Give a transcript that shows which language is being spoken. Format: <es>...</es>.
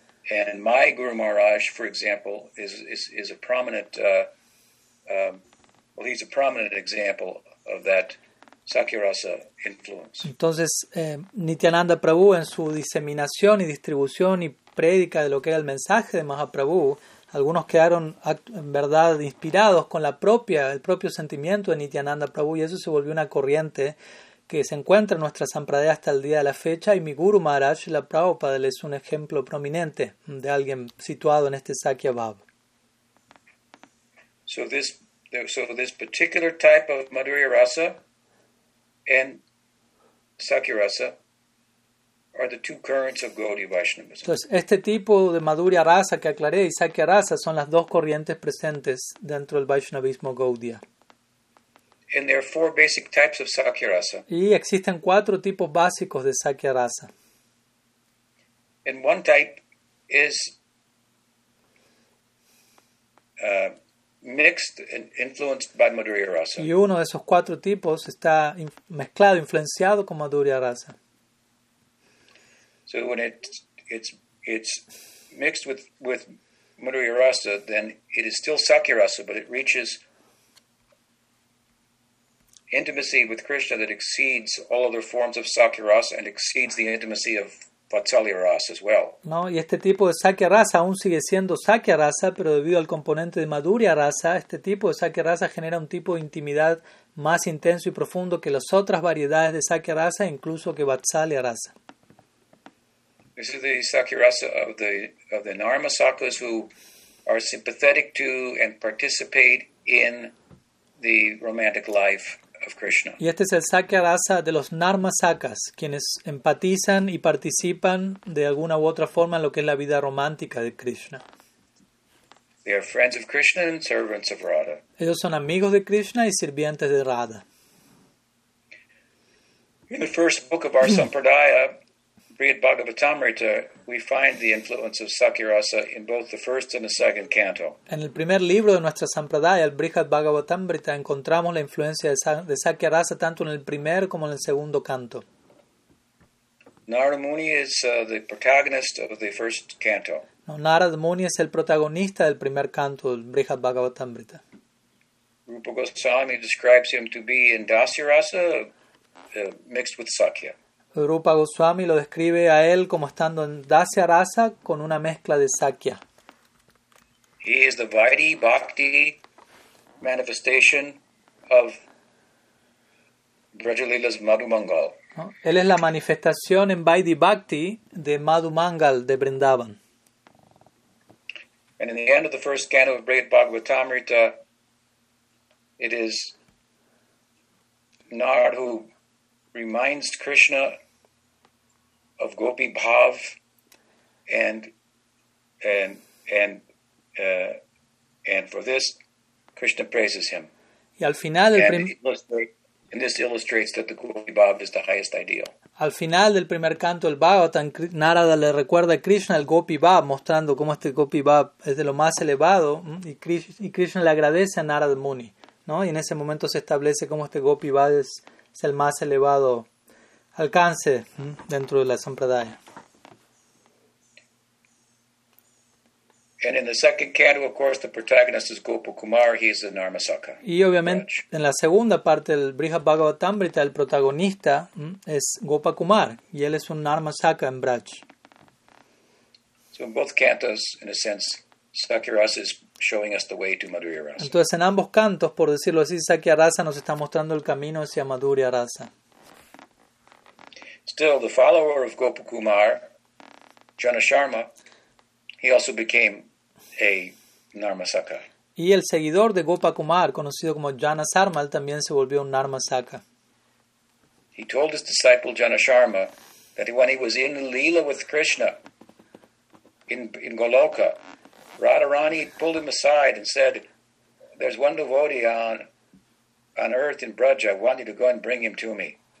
<en>And my Guru Maharaj, for example, is a prominent example of that Sakya Rasa influence.</en> <es>Entonces, Nityananda Prabhu, en su diseminación y distribución y prédica de lo que era el mensaje de Mahaprabhu, algunos quedaron en verdad inspirados con el propio sentimiento de Nityananda Prabhu, y eso se volvió una corriente que se encuentra en nuestra Sampradaya hasta el día de la fecha, y mi Guru Maharaj, la Prabhupada, es un ejemplo prominente de alguien situado en este Sakya Bhav.</es> <en>So this particular type of Madhurya Rasa and Sakya Rasa are the two currents of Gaudiya Vaishnavism.</en> <es>Entonces, este tipo de Madhurya Rasa que aclaré y Sakya Rasa son las dos corrientes presentes dentro del Vaishnavismo Gaudiya.</es> <en>And there are four basic types of Sakya Rasa.</en> <es>Y existen cuatro tipos básicos de Sakya Rasa.</es> <en>And one type is mixed and influenced by Madhurya Rasa.</en> <es>Y uno de esos cuatro tipos está mezclado, influenciado con Madhurya Rasa.</es> <en>So when it's mixed with Madhurya Rasa, then it is still Sakya Rasa, but it reaches intimacy with Krishna that exceeds all other forms of Sakya Rasa and exceeds the intimacy of Vatsalya Rasa as well.</en> <es>No, y este tipo de Sakya Rasa aún sigue siendo Sakya Rasa, pero debido al componente de Madhurya Rasa, este tipo de Sakya Rasa genera un tipo de intimidad más intenso y profundo que las otras variedades de Sakya Rasa, incluso que Vatsalya Rasa.</es> <en>This is the Sakya Rasa of the Narmasakas who are sympathetic to and participate in the romantic life of Krishna.</en> <es>Y este es el Sakya Rasa de los Narmasakas, quienes empatizan y participan de alguna u otra forma en lo que es la vida romántica de Krishna.</es> <en>They are friends of Krishna and servants of Radha.</en> <es>Ellos son amigos de Krishna y sirvientes de Radha.</es> <en>In the first book of our Sampradaya, Brihad Bhagavatamrita, we find the influence of Sakya Rasa in both the first and the second canto.</en> <es>En el primer libro de nuestra Sampradaya, el Brihad Bhagavatamrita, encontramos la influencia de Sakya Rasa tanto en el primer como en el segundo canto.</es> <en>Narada Muni is the protagonist of the first canto.</en> <es>No, Narada Muni es el protagonista del primer canto del Brihad Bhagavatamrita.</es> <en>Rupa Goswami describes him to be in Dasya Rasa mixed with Sakya.</en> <es>Rupa Goswami lo describe a él como estando en Dasya Rasa con una mezcla de Sakya.</es> <en>He is the Vaidhi Bhakti manifestation of Brajalila's Madhu Mangal.</en> <es>¿No? Él es la manifestación en Vaidhi Bhakti de Madhu Mangal de Vrindavan.</es> <en>And in the end of the first canto of Brihad Bhagavatamrita, it is Narada who reminds Krishna of Gopi Bhav and for this Krishna praises him.</en> <es>Y al final del primer</es> <en>And this illustrates that the quality Bhav is the highest ideal.</en> <es>Al final del primer canto, el Bhagavatam, Narada le recuerda a Krishna el Gopi Bhav, mostrando cómo este Gopi Bhav es de lo más elevado, y Krishna le agradece a Narada Muni, ¿no? Y en ese momento se establece cómo este Gopi Bhav es el más elevado alcance dentro de la Sampradaya.</es> <en>And in the second canto, of course, the protagonist is Gopal Kumar. He is the Narmasaka.</en> <es>Y obviamente, en la segunda parte del Brihat Bhagavatamrita, el protagonista es Gopal Kumar, y él es un Narmasaka en Braj.</es> <en>So in both cantos, in a sense, Sakyarasa is showing us the way to Madhurya Rasa.</en> <es>Entonces, en ambos cantos, por decirlo así, Sakyarasa nos está mostrando el camino hacia Madhurya Rasa.</es> <en>Still, the follower of Gopal Kumar, Jana Sharma, he also became a Narmasaka.</en> <es>Y el seguidor de Gopal Kumar, conocido como Jana Sarma, también se volvió un Narmasaka.</es> <en>He told his disciple Jana Sharma that when he was in Leela with Krishna, in Goloka, Radharani pulled him aside and said, there's one devotee on earth in Braja, I want you to go and bring him to me.</en>